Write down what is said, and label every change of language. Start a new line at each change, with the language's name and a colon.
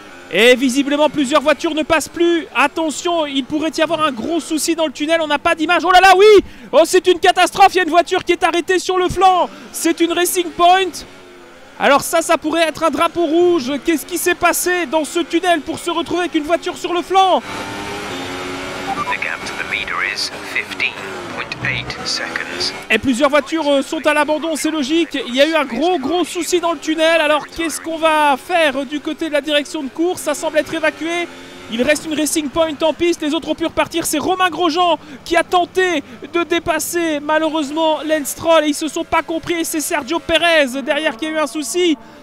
French: Et visiblement, plusieurs voitures ne passent plus. Attention, il pourrait y avoir un gros souci dans le tunnel. On n'a pas d'image. Oh là là, oui! Oh, c'est une catastrophe. Il y a une voiture qui est arrêtée sur le flanc. C'est une Racing Point. Alors ça pourrait être un drapeau rouge. Qu'est-ce qui s'est passé dans ce tunnel pour se retrouver avec une voiture sur le flanc?
English: The gap to the leader is 15.8 seconds.
French: Et plusieurs voitures sont à l'abandon, c'est logique. Il y a eu un gros souci dans le tunnel. Alors qu'est-ce qu'on va faire du côté de la direction de course? Ça semble être évacué. Il reste une Racing Point en piste. Les autres ont pu repartir. C'est Romain Grosjean qui a tenté de dépasser malheureusement Lance Stroll. Et ils se sont pas compris. Et c'est Sergio Perez derrière qui a eu un souci.